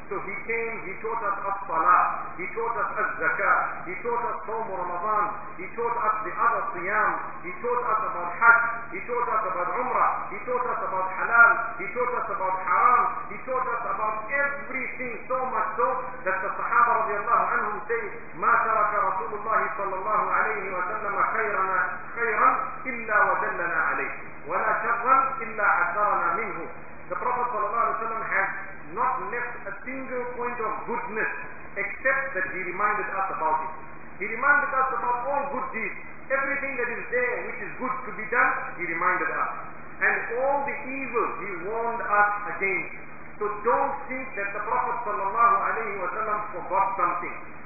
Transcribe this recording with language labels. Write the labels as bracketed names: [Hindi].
[English] So he came, he taught us as-salah, he taught us az-zakah, he taught us Sawm Ramadan, he taught us the other siyam, he taught us about hajj, he taught us about umrah, he taught us about halal, he taught us about haram, he taught us about everything, so much so that the sahaba radiallahu anhum say, [Arabic] ma taraka rasulullah sallallahu alayhi wa sallam khayran إلا ودلنا عليه ولا شرا إلا حذرنا منه. [English] The Prophet صلى الله عليه وسلم has not left a single point of goodness except that he reminded us about it. He reminded us about all good deeds. Everything that is there which is good to be done, he reminded us. And all the evil he warned us against. So don't think that the Prophet sallallahu alayhi wa sallam forgot something.